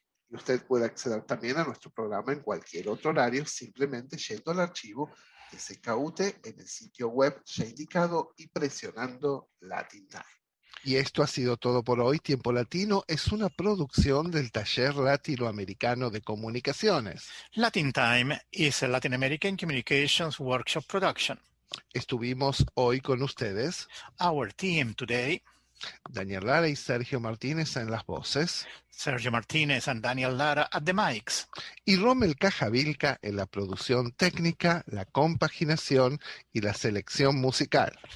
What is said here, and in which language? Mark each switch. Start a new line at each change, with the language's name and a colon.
Spanish: Y usted puede acceder también a nuestro programa en cualquier otro horario simplemente yendo al archivo de CKUT en el sitio web ya indicado y presionando Latin Time. Y esto ha sido todo por hoy. Tiempo Latino es una producción del Taller Latinoamericano de Comunicaciones.
English: Latin Time is a Latin American Communications Workshop production.
Spanish: Estuvimos hoy con ustedes.
English: Our team today.
Spanish: Daniel Lara y Sergio Martínez en las voces.
English: Sergio Martínez and Daniel Lara at the mics.
Spanish: Y Rommel Cajavilca en la producción técnica, la compaginación y la selección musical.